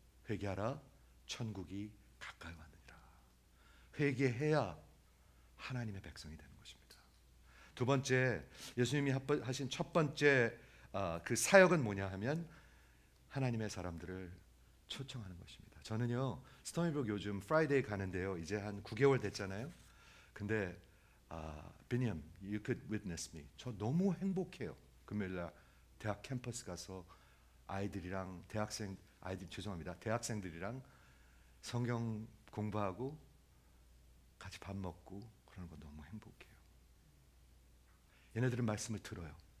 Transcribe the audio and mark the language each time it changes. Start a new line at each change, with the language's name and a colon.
Korean: 회개하라, 천국이 가까이 왔느니라. 회개해야 하나님의 백성이 되는 것입니다. 두 번째, 예수님이 하신 첫 번째 그 사역은 뭐냐 하면 하나님의 사람들을 초청하는 것입니다. 저는요, 스토니브룩 요즘 프라이데이 가는데요, 이제 한 9개월 됐잖아요. 근데
English: 비니엄, you could witness me.
Korean: 저 너무 행복해요. 금요일날 대학 캠퍼스 가서 아이들이랑 대학생 아이들 죄송합니다, 대학생들이랑 성경 공부하고 같이 밥 먹고 그런 거 너무 행복해요. 얘네들은 말씀을 들어요.